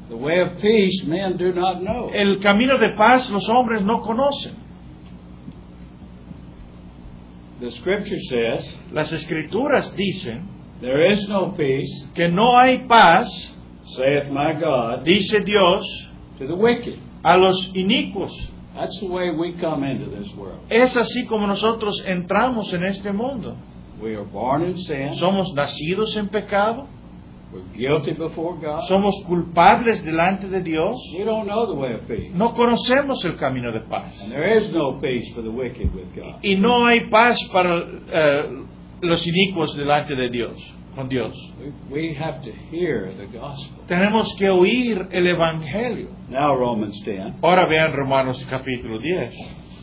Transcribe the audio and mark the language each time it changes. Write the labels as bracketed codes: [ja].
[en] The way of peace, men do not know. [es] El camino de paz los hombres no conocen. [en] The scripture says, [es] las escrituras dicen, [en] there is no peace, [es] que no hay paz, [en] saith my God, [es] dice Dios, [en] to the wicked, [es] a los inicuos. [en] That's the way we come into this world. [es] Es así como nosotros entramos en este mundo. [en] We are born in sin. [es] Somos nacidos en pecado. [en] We're guilty before God. [es] Somos culpables delante de Dios. [en] We don't know the way of peace. [es] No conocemos el camino de paz. [en] And there is no peace for the wicked with God. [es] Y no hay paz para los inicuos delante de Dios, con Dios. [en] We have to hear the gospel. [es] Tenemos que oír el Evangelio. [en] Now Romans 10. [es] Ahora vean Romanos capítulo 10.